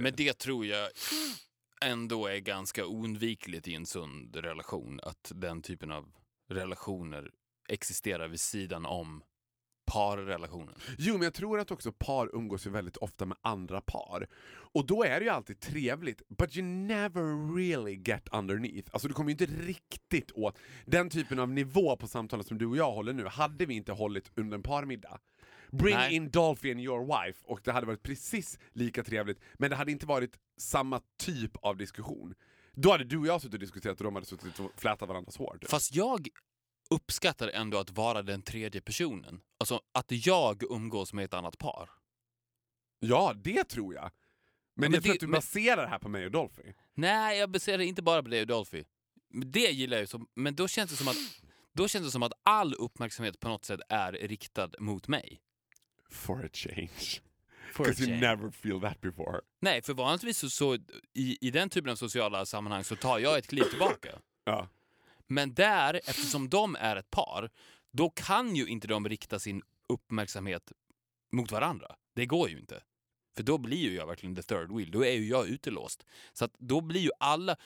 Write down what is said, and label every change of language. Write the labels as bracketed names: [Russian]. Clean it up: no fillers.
[Swedish] Men det tror jag ändå är ganska oundvikligt i en sund relation, att den typen av relationer existerar vid sidan om parrelationen. Jo, men jag tror att också par umgås ju väldigt ofta med andra par. Och då är det ju alltid trevligt. [English] But you never really get underneath. [Swedish] Alltså du kommer ju inte riktigt åt den typen av nivå på samtalet som du och jag håller nu. Hade vi inte hållit under en parmiddag. [English] Bring in Dolphy and your wife. [Swedish] Och det hade varit precis lika trevligt. Men det hade inte varit samma typ av diskussion. Då hade du och jag suttit och diskuterat och de hade suttit och flätat varandras hår. Du. Fast jag uppskattar ändå att vara den tredje personen. Alltså att jag umgås med ett annat par. Ja, det tror jag. Men jag tror att du baserar det här på mig och Dolphy. Nej, jag baserar inte bara på dig och Dolphy. Det gillar jag ju. Men då känns det som att all uppmärksamhet på något sätt är riktad mot mig. [English] For a change. Because you never feel that before. [Swedish] Nej, för vanligtvis så i den typen av sociala sammanhang så tar jag ett kliv tillbaka. Ja. Men där, eftersom de är ett par, då kan ju inte de rikta sin uppmärksamhet mot varandra. Det går ju inte. För då blir ju jag verkligen [English] the third wheel. [Swedish] Då är ju jag utelåst. Så att då blir ju alla...